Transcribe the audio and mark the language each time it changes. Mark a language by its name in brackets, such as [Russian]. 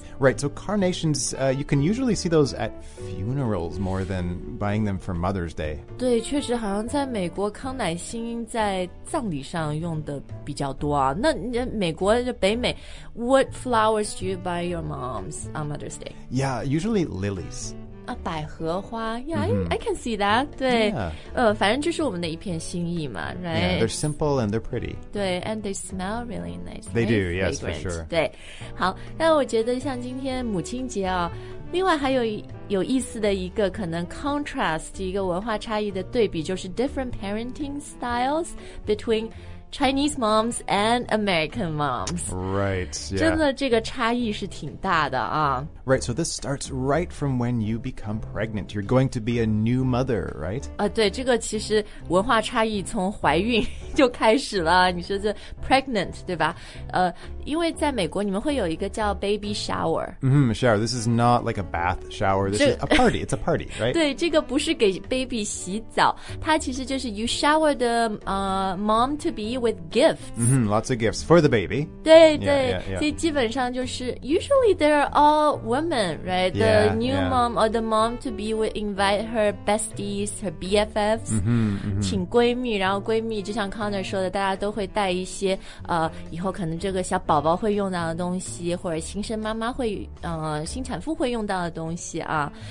[English] Right, so carnations, you can usually see those at funerals more than buying them for Mother's Day. [Chinese] 对，确实好像在美国康乃馨在葬礼上用的比较多。 [English] 啊。 [Chinese] 那美国就北美 [English] ，What flowers do you buy your moms on Mother's Day? Yeah, usually lilies. [Chinese] 啊，百合花 [English] ，Yeah,、mm-hmm. I can see that. 对， yeah. [Chinese] 反正就是我们的一片心意嘛 ，Right? [English] Yeah, they're simple and they're pretty. 对 ，and they smell really nice. They、 nice、 do, yes,、 fragrant. for sure. [Chinese] 对，好，那我觉得像今天母亲节啊。另外还有有意思的一个可能 contrast 一个文化差异的对比就是 [English] different parenting styles between Chinese moms and American moms. Right,、yeah. [Chinese] 真的这个差异是挺大的啊。 [English] Right, so this starts right from when you become pregnant. You're going to be a new mother, right? [Chinese] 啊、对，这个其实文化差异从怀孕就开始了。你说这 pregnant, 对吧？因为在美国你们会有一个叫 baby shower. [English] Mm-hmm, shower. This is not like a bath shower. This is a party. It's a party, right? [Chinese] 对，这个不是给 baby 洗澡。它其实就是 [English] you shower the、mom to be with gifts. Mm-hmm, lots of gifts for the baby. [Chinese] 对、 [English] yeah, [Chinese] 对、 [English] yeah, yeah. [Chinese] 所以基本上就是 [English] usually they're all... Women, right? The yeah, new yeah. mom or the mom to be would invite her besties, her BFFs, mm-hmm, mm-hmm. [Chinese] 请闺蜜，然后闺蜜就像 Connor 说的，大家都会带一些以后可能这个小宝宝会用到的东西，或者新生妈妈会新产妇会用到的东西啊。